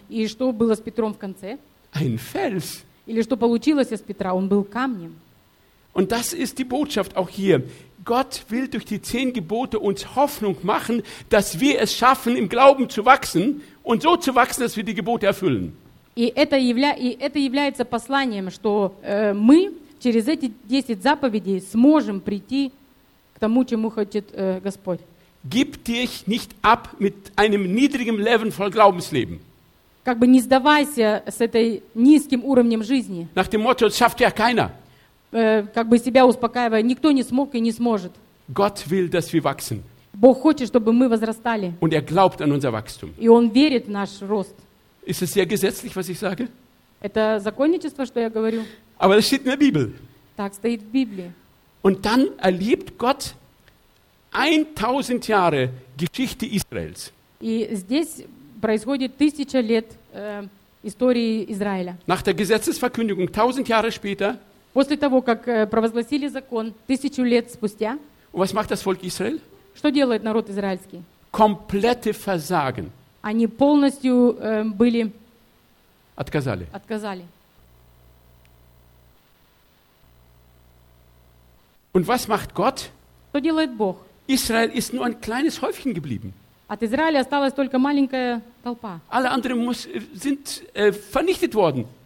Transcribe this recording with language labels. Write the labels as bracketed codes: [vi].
[ru] И что было с Петром в конце? [de] Ein Fels. [ru] Или что получилось из Петра? Он был камнем. [de] Und das ist die Botschaft auch hier. Gott will durch die 10 Gebote uns Hoffnung machen, dass wir es schaffen, im Glauben zu wachsen und so zu wachsen, dass wir die Gebote erfüllen. [ru] Это является посланием, что мы через эти 10 заповедей сможем прийти к тому, чему хочет Господь. [de] Gib dich nicht ab mit einem niedrigen Level voll Glaubensleben. [ru] Как бы не сдавайся с этой низким уровнем жизни. [de] Nach dem Motto, das schafft ja keiner. [ru] Как бы себя успокаивая, никто не смог и не сможет. [de] Gott will, dass wir wachsen. [ru] Бог хочет, чтобы мы возрастали. [de] Und er glaubt an unser Wachstum. [ru] И Он верит в наш рост. [de] Ist es sehr gesetzlich, was ich sage? [ru] Это законничество, что я говорю? [de] Aber das steht in der Bibel. [ru] Так стоит в Библии. [de] Und dann erlebt Gott 1000 Jahre Geschichte Israels. [ru] И здесь происходит 1000 лет истории Израиля. [de] Nach der Gesetzesverkündigung 1000 Jahre später. [ru] После того, как провозгласили закон, 1000 лет спустя. [de] Und was macht das Volk Israel? [ru] Что делает народ израильский? [de] Komplette Versagen. [ru] Они полностью были отказали. Отказали. [de] Und was macht Gott? [ru] Что делает Бог? [de] Israel ist nur ein kleines Häufchen geblieben. [ru] От Израиля осталась только маленькая толпа. [de] Alle anderen sind vernichtet worden.